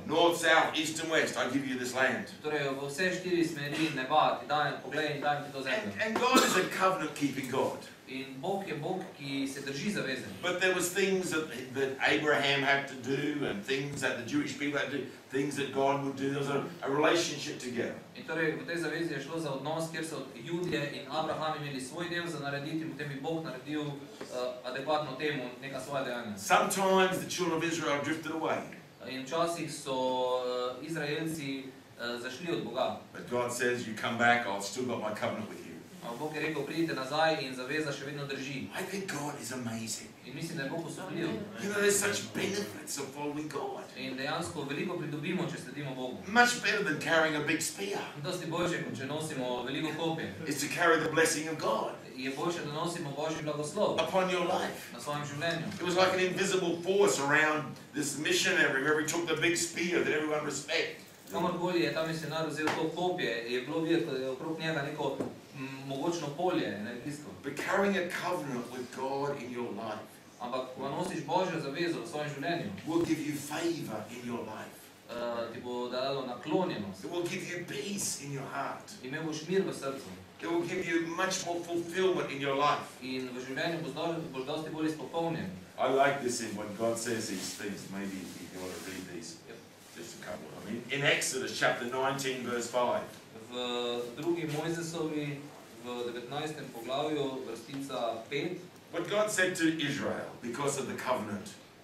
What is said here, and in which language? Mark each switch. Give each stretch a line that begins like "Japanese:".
English: North, south, east and west, I give you this land.
Slovenian: Torej, v vse štiri smeri neba, ti dajem, poglej in daj mi to zemljo.
English: And God is a covenant-keeping God.
Slovenian: In Bog je Bog, ki se drži zaveze.
English: But there was things that Abraham had to do, and things that the Jewish people had to do, things that God would do, there was a relationship together.
Slovenian: In torej, v tej zavezi je šlo za odnos, kjer so Judje in Abraham imeli svoj del za narediti, in potem bi Bog naredil adekvatno temu neka svoja dejanja.
English: Sometimes the children of Israel drifted away.
Slovenian: In včasih so Izraelci zašli od Boga.
English: But God says, you come back, I've still got my covenant with you.
Slovenian: Bog je rekel, pridite nazaj in zaveza še vedno drži.
English: I think God is amazing.
Slovenian: In mislim, da je Bog usupljiv.
English: You know, there's such benefits of following God.
Slovenian: In dejansko veliko pridobimo, če sledimo Bogu.
English: Much better than carrying a big spear.
Slovenian: Dosti boljše, če nosimo veliko kopje.
English: Is to carry the blessing of God.
Slovenian: Je boljše, da nosimo Božji blagoslov.
English: Upon your life.
Slovenian: Na svojem življenju.
English: It was like an invisible force around this missionary, where he took the big spear that everyone respect.
Slovenian: Kamor koli je ta misionar vzel to kopje, je bilo videti, da je okrog njega neko mogočno polje, ne bistvo.
English: But carrying a covenant with God in your life.
Slovenian: Ampak ko nosiš Božjo zavezo v svojem življenju.
English: Will give you favor in your life.
Slovenian: Ti bo dalo naklonjenost.
English: It will give you peace in your heart.
Slovenian: Imel boš mir v srcu.
English: It will give you much more fulfillment in your life.
Slovenian: In v življenju boš dosti bolj izpopolnjen.
English: I like this in what God says these things. Maybe if you want to read these. Just a couple. I mean, in Exodus chapter 19 verse 5.
Slovenian: V drugi Mojzesovi, v 19. poglavju, vrstica 5.
English: What God said to Israel because of the covenant.